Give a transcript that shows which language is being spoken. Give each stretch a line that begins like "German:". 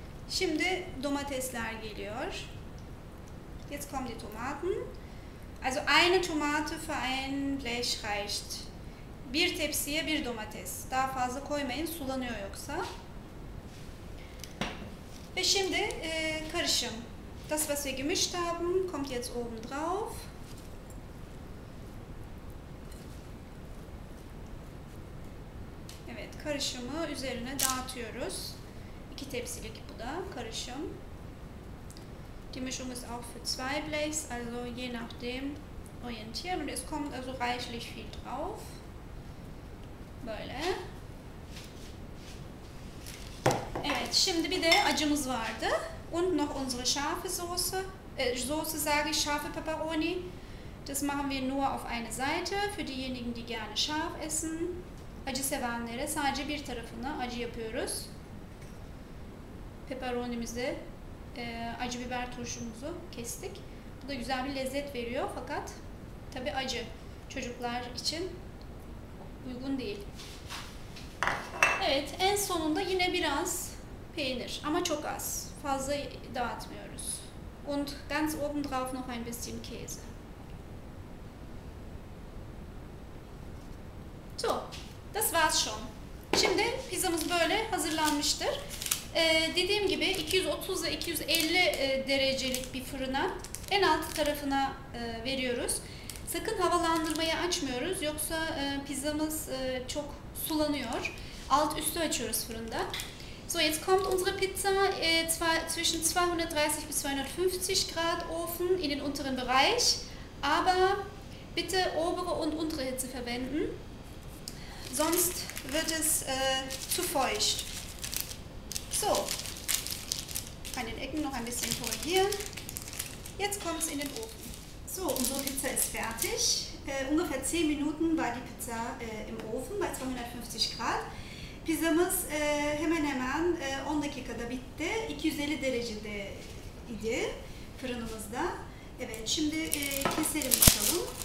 Turkish: Şimdi domatesler geliyor.
German: Jetzt kommen die Tomaten. Also eine Tomate für ein Blech reicht.
Turkish: Bir tepsiye bir domates. Daha fazla koymayın, sulanıyor yoksa. Ve şimdi karışım.
German: Das, was wir gemischt haben, kommt jetzt oben drauf.
Turkish: Evet, karışımı üzerine dağıtıyoruz. İki tepsilik bu da karışım.
German: Die Mischung ist auch für zwei Blechs, also je nachdem orientieren. Und es kommt also reichlich viel drauf.
Turkish: Böyle. Evet, şimdi bir de acımız vardı.
German: Und noch unsere scharfe Soße. Soße sage ich, scharfe Peperoni. Das machen wir nur auf eine Seite. Für diejenigen, die gerne scharf essen.
Turkish: Acı sevenlere sadece bir tarafına acı yapıyoruz. Peperonimizi, acı biber turşumuzu kestik. Bu da güzel bir lezzet veriyor. Fakat tabi acı çocuklar için uygun değil. Evet, en sonunda yine biraz peynir ama çok az. Fazla dağıtmıyoruz.
German: Und ganz oben drauf noch ein bisschen Käse. So, das war's schon.
Turkish: Şimdi pizzamız böyle hazırlanmıştır. Dediğim gibi 230 ve 250 derecelik bir fırına en alt tarafına veriyoruz. Sakın havalandırmayı açmıyoruz yoksa pizzamız çok sulanıyor. Alt üstü açıyoruz fırında.
German: So, jetzt kommt unsere Pizza zwischen 230 bis 250 Grad Ofen in den unteren Bereich. Aber bitte obere und untere Hitze verwenden. Sonst wird es zu feucht. So, an den Ecken noch ein bisschen korrigieren. Jetzt kommt es in den Ofen. So, unsere Pizza ist fertig. Ungefähr 10 Minuten war die Pizza im Ofen bei 250 Grad.
Turkish: Pizzamız hemen hemen 10 dakikada bitti. 250 derecede idi fırınımızda. Evet, şimdi keselim bakalım.